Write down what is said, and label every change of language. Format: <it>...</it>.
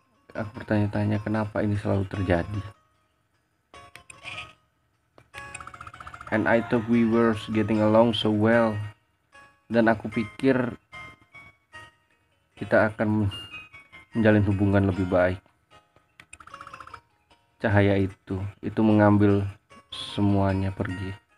<id>Aku bertanya-tanya kenapa ini selalu terjadi.</id> <en>And I thought we were getting along so well.</en> <id>Dan aku pikir kita akan menjalin hubungan lebih baik. Cahaya itu mengambil semuanya pergi.</id>